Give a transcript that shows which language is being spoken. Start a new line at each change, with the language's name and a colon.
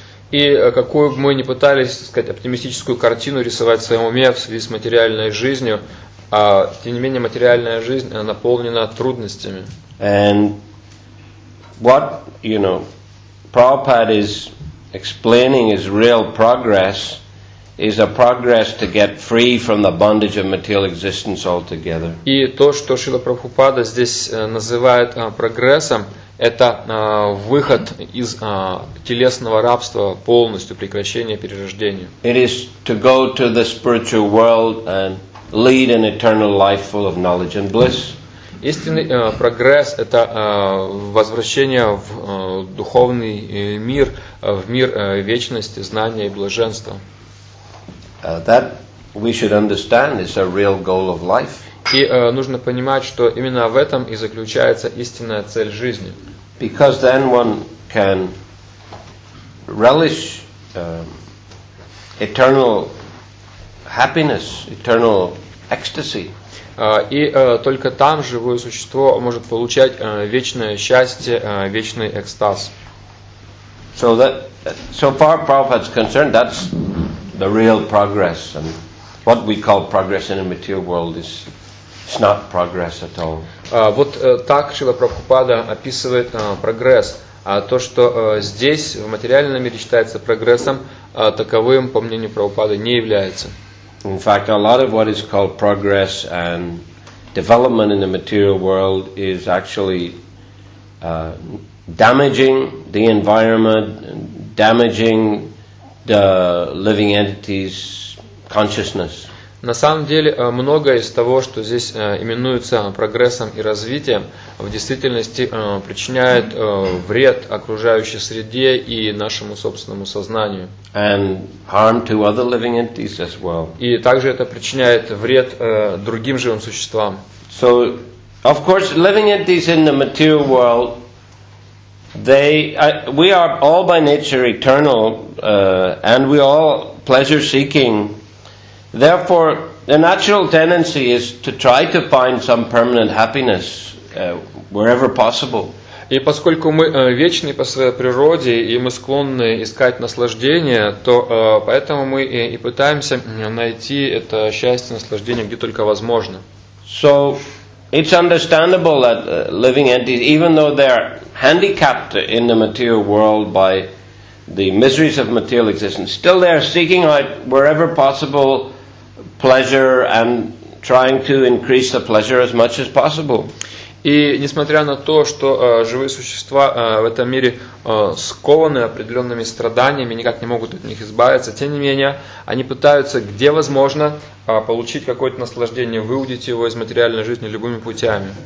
Russian: И какую бы мы ни пытались, так сказать, оптимистическую картину рисовать в своем уме в связи с материальной жизнью, тем не менее материальная жизнь наполнена трудностями.
English: And what, you know, Prabhupada is explaining is real progress, is a progress to get free from the bondage of material existence altogether.
Russian: И то, что Шрила Прабхупада здесь называет прогрессом, это выход из телесного рабства полностью, прекращение перерождения.
English: It is to go to the spiritual world and lead an eternal life full of knowledge and bliss.
Russian: Истинный прогресс – это возвращение в духовный мир, в мир вечности, знания и блаженства.
English: That we should understand is a real goal of life.
Russian: И нужно понимать, что именно в этом и заключается истинная цель жизни.
English: Because then one can relish eternal happiness, eternal ecstasy.
Russian: И только там живое существо может получать вечное счастье, вечный экстаз.
English: So that, so far Prabhupada's concerned, that's the real progress, and what we call progress in a material world is it's not progress at all.
Russian: Вот так Шрила Прабхупада описывает прогресс. То, что здесь в материальном мире считается прогрессом, таковым, по мнению Прабхупады, не является.
English: In fact, a lot of what is called progress and development in the material world is actually damaging the environment, damaging the living entity's consciousness.
Russian: На самом деле, многое из того, что здесь именуется прогрессом и развитием, в действительности причиняет вред окружающей среде и нашему собственному сознанию.
English: And harm to other living entities as well.
Russian: И также это причиняет вред другим живым существам.
English: So, of course, living entities in the material world We are all by nature eternal, and we all pleasure seeking. Therefore, the natural tendency is to try to find some permanent happiness wherever possible.
Russian: И поскольку мы вечны по своей природе и мы склонны искать наслаждение, то поэтому мы и пытаемся найти это счастье, наслаждение где только возможно.
English: So it's understandable that living entities, even though they are handicapped in the material world by the miseries of material existence, still they are seeking out wherever possible pleasure and trying to increase the pleasure as much as possible.
Russian: И несмотря на то, что живые существа в этом мире скованы определенными страданиями, никак не могут от них избавиться, тем не менее, они пытаются, где возможно, получить какое-то наслаждение, выудить его из материальной жизни любыми путями.